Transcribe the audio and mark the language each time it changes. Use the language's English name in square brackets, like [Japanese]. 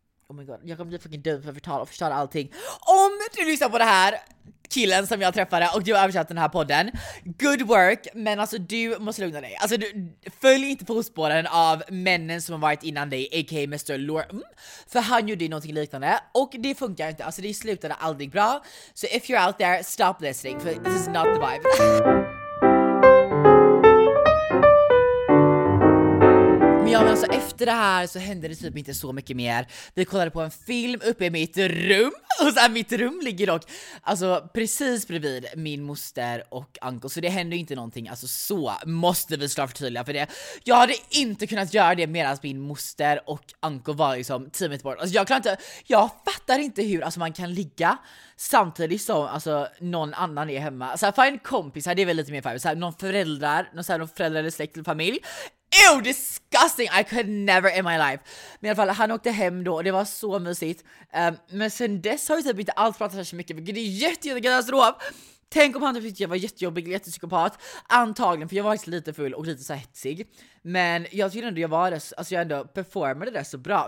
[English] Oh my god, [Swedish] jag kommer bli fucking dum för att förtala och förstöra allting. Om du lyssnar på det här, killen som jag träffade och du har översatt den här podden, [English] good work, [Swedish] men alltså du måste lugna dig. Alltså du, följ inte fotspåren av männen som har varit innan dig, aka Mr. Lorm. För han gjorde ju någonting liknande och det funkar inte, alltså det slutade aldrig bra. [English] So if you're out there, stop listening, for this is not the vibe. [Swedish] Ja, men alltså efter det här så hände det typ inte så mycket mer. Vi kollade på en film uppe i mitt rum. Och så här, mitt rum ligger dock alltså precis bredvid min moster och uncle. Så det hände inte någonting. Alltså så måste vi slå förtydliga för det. Jag hade inte kunnat göra det medan min moster och uncle var liksom teamet bort. Alltså jag klarar inte, jag fattar inte hur alltså man kan ligga samtidigt som alltså någon annan är hemma. Så här, fine kompis här, det är väl lite mer fine. Så här, någon föräldrar, någon, så här, någon föräldrar eller släkt eller familj. [English] Ew, disgusting, I could never in my life. [Swedish] Men i alla fall, han åkte hem då och det var så mysigt. Men sen dess har jag typ inte alls pratat så mycket. Det är jättekatastrof. Tänk om han tyckte jag var jättejobbig, jättepsykopat. Antagligen, för jag var faktiskt lite full och lite så hetsig. Men jag tyckte ändå jag var det, alltså jag ändå performade det så bra.